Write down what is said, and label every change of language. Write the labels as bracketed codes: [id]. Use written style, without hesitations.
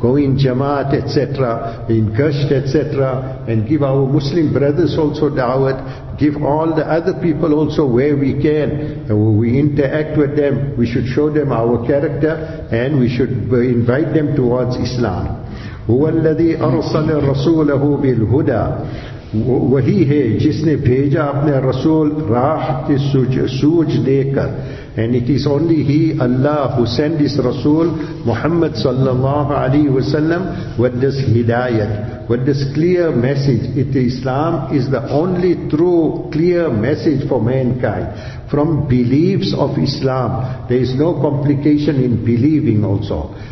[en] Go in jamaat, etc., in kashf, etc., and give our Muslim brothers also da'wah. Give all the other people also where we can, and when we interact with them, we should show them our character, and we should invite them towards Islam. [ar] هُوَ الَّذِي أَرْسَلَ رَسُولَهُ بِالْهُدَىٰ. [ur] وہی ہے جس نے بھیجا اپنے رسول راہ کی سوج دے کر. [en] And it is only He, Allah, who sent His Rasul, Muhammad sallallahu alayhi wa sallam, with this hidayat, with this clear message. Islam is the only true, clear message for mankind. From beliefs of Islam, there is no complication in believing also.